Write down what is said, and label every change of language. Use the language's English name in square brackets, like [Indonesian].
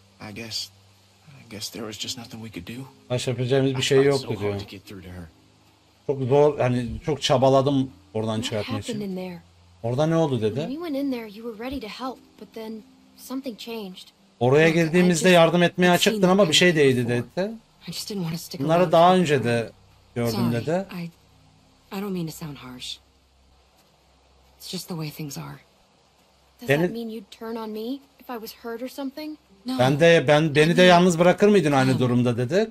[English] I guess there was just nothing we could do. [Turkish] Baş yapacağımız bir şey yoktu diyor. Çok zor, hani çok çabaladım oradan çıkartmak için. Orada ne oldu dedi? [English] When we went in there, you were ready to help, but then something changed. [Turkish] Oraya girdiğimizde yardım etmeye açıktın ama bir şey değildi dedi. Bunları daha önce de gördüm dedi. [English] I don't mean to sound harsh. It's just the way things are. Does that mean you'd turn on me if I was hurt or something? No. [Turkish] Beni de yalnız bırakır mıydın aynı durumda dedi.